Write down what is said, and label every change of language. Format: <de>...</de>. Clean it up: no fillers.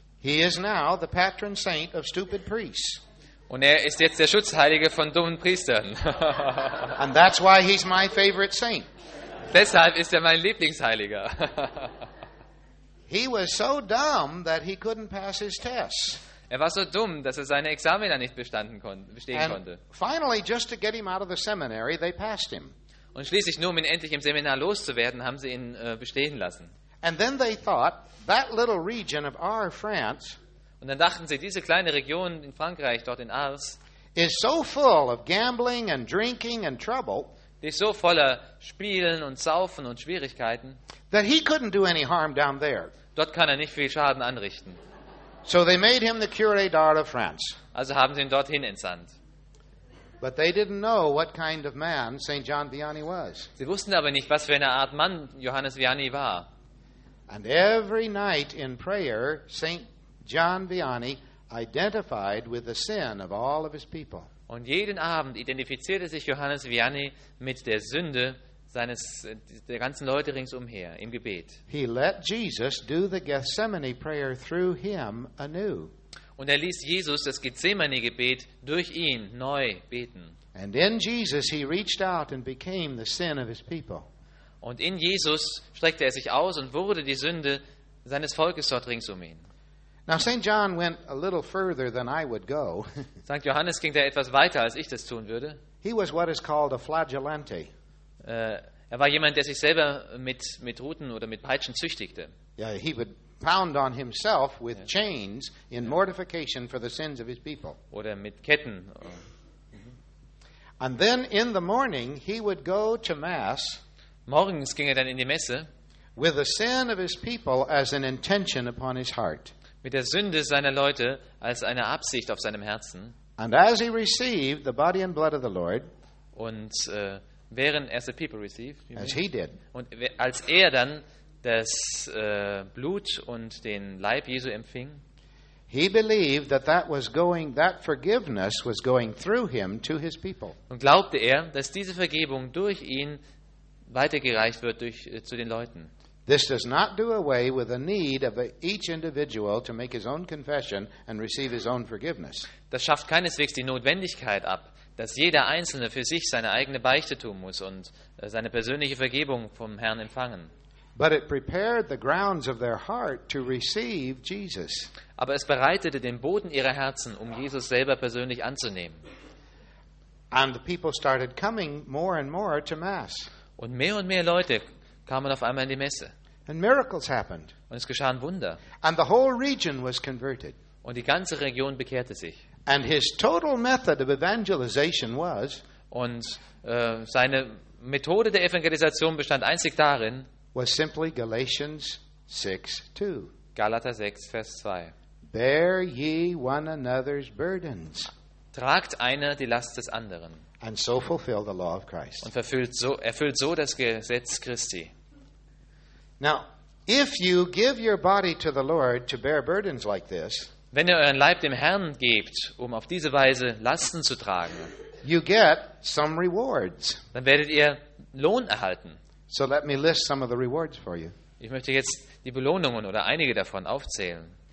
<en>He is now the patron saint of stupid priests.</en> <de>Und er ist jetzt der Schutzheilige von dummen Priestern.</de> <en>And that's why he's my favorite saint.</en> <de>Deshalb ist er mein Lieblingsheiliger.</de> <en>He was so dumb that he couldn't pass his tests.</en> <de>Er war so dumm, dass er seine Examen nicht bestehen konnte.</de> <en>Finally, just to get him out of the seminary, they passed him.</en> <de>Und schließlich, nur um ihn endlich im Seminar loszuwerden, haben sie ihn bestehen lassen.</de> <en>And then they thought that little region of our France.</en> <de>Und dann dachten sie, diese kleine Region in Frankreich, dort in Ars,</de> <en>is so full of gambling and drinking and trouble.</en> <de>Die ist so voller Spielen und Saufen und Schwierigkeiten.</de> <en>That he couldn't do any harm down there.</en> <de>Dort kann er nicht viel Schaden anrichten.</de> <en>So they made him the curé d'art of France.</en> <de>Also haben sie ihn dorthin entsandt.</de> <en>But they didn't know what kind of man St. John Vianney was.</en> <de>Sie wussten aber nicht, was für eine Art Mann Johannes Vianney war.</de> <en>And every night in prayer, St. John Vianney identified with the sin of all of his people.</en> <de>Und jeden Abend identifizierte sich Johannes Vianney mit der Sünde der ganzen Leute ringsumher im Gebet.</de> <en>He let Jesus do the Gethsemane prayer through him anew.</en> <de>Und er ließ Jesus das Gethsemane-Gebet durch ihn neu beten.</de> <en>And in Jesus he reached out and became the sin of his people.</en> <de>Und in Jesus streckte er sich aus und wurde die Sünde seines Volkes dort ringsumher.</de> <en>Now St. John went a little further than I would go.</en> <de>St. Johannes ging da etwas weiter, als ich das tun würde.</de> <en>He was what is called a flagellante.</en> <de>Er war jemand, der sich selber mit Ruten oder mit Peitschen züchtigte.</de> <en>Yeah, he would pound on himself with chains in mortification for the sins of his people.</en> <de>Oder mit Ketten.</de> <en>And then in the morning he would go to mass.</en> <de>Morgens ging er dann in die Messe.</de> <en>With the sin of his people as an intention upon his heart.</en> <de>Mit der Sünde seiner Leute als eine Absicht auf seinem Herzen.</de> <en>And as he received the body and blood of the Lord,</en> <de>und während er</de> <en>the people received, as he did,</en> <de>und als er dann das Blut und den Leib Jesu empfing,</de> <en>he believed that that forgiveness was going through him to his people.</en> <de>Und glaubte er, dass diese Vergebung durch ihn weitergereicht wird zu den Leuten.</de> <en>This does not do away with the need of each individual to make his own confession and receive his own forgiveness.</en> <de>Das schafft keineswegs die Notwendigkeit ab, dass jeder Einzelne für sich seine eigene Beichte tun muss und seine persönliche Vergebung vom Herrn empfangen.</de> <en>But it prepared the grounds of their heart to receive Jesus.</en> <de>Aber es bereitete den Boden ihrer Herzen, um Jesus selber persönlich anzunehmen.</de> <en>And the people started coming more and more to mass.</en> <de>Und mehr Leute kamen auf einmal in die Messe.</de> <en>And miracles happened.</en> <de>Und es geschahen Wunder.</de> <en>And the whole region was converted.</en> <de>Und die ganze Region bekehrte sich.</de> <en>And his total method of evangelization was,</en> <de>und seine Methode der Evangelisation bestand einzig darin,</de> <en>was simply Galatians 6:2.</en> <de>Galater 6, Vers 2.</de> <en>Bear ye one another's burdens.</en> <de>Tragt einer die Last des anderen.</de> <en>And so fulfill the law of Christ.</en> <de>Und erfüllt so das Gesetz Christi.</de> <en>Now, if you give your body to the Lord to bear burdens like this,</en> <de>wenn ihr euren Leib dem Herrn gebt, um auf diese Weise Lasten zu tragen,</de> <en>you get some rewards.</en> <de>Dann werdet ihr Lohn erhalten.</de> <en>So let me list some of the rewards for you.</en> <de>Ich möchte jetzt die Belohnungen oder einige davon aufzählen.</de>